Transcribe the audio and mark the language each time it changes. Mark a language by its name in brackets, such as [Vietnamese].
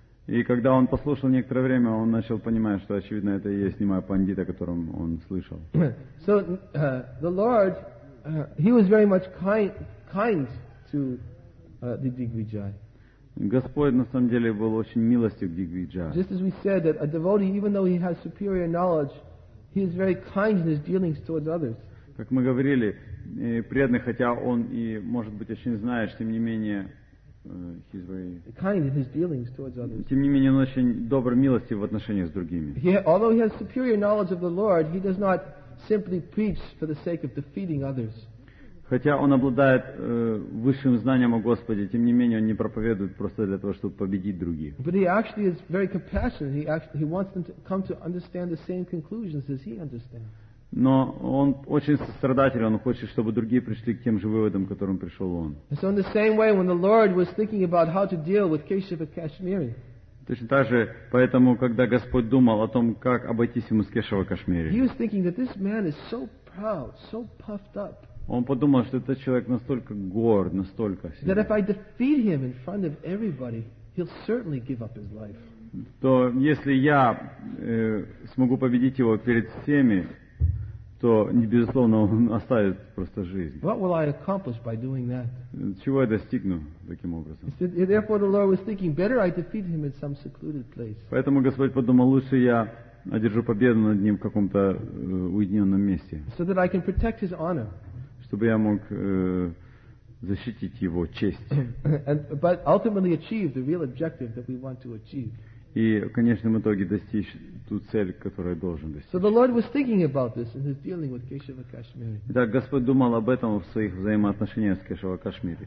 [Russian] И когда он послушал некоторое время, он начал понимать, что очевидно это и есть Нимай Пандит, о котором он слышал. [English] So the Lord, he was very much kind to the Digvijaya. [Russian] Господь на самом деле был очень милостив к Дигвиджаю. [English] Just as we said that a devotee, even though he has superior knowledge, he is very kind in his dealings towards others. [Russian] Как мы говорили, преданный, хотя он и может быть очень знает, тем не менее, [English] he's very kind in his dealings towards others. [Russian] Тем не менее, он очень добр, милостив в отношениях с другими. [English] Although he has superior knowledge of the Lord, he does not simply preach for the sake of defeating others. [Russian] Хотя он обладает высшим знанием о Господе, тем не менее он не проповедует просто для того, чтобы победить других. [English] But he actually is very compassionate. He wants them to come to understand the same conclusions as he understands. [Russian] Но он очень сострадатель, он хочет, чтобы другие пришли к тем же выводам, к которым пришел он. [English] So in the same way, when the Lord was thinking about how to deal with Keshava Kashmiri. [Russian] Точно так же, поэтому, когда Господь думал о том, как обойтись ему с Кешава Кашмири. [English] He was thinking that this man is so proud, so puffed up. [Russian] Он подумал, что этот человек настолько горд, настолько сильный. [English] That if I defeat him in front of everybody, he'll certainly give up his life. [Russian] То если я смогу победить его перед всеми, то, безусловно, он оставит просто жизнь. [English] What will I accomplish by doing that? [Russian] Чего я достигну таким образом? [English] Therefore, the Lord was thinking, better I defeat him in some secluded place. [Russian] Поэтому Господь подумал, лучше я одержу победу над ним в каком-то уединенном месте. [English] So that I can protect his honor. [Russian] Чтобы я мог защитить его честь. [English] But ultimately achieve the real objective that we want to achieve. [Russian] И в конечном итоге достичь ту цель, которую должен достичь. [English] So the Lord was thinking about this in his dealing with Keshava Kashmiri. [Russian] Итак, Господь думал об этом в своих взаимоотношениях с Кешава Кашмири.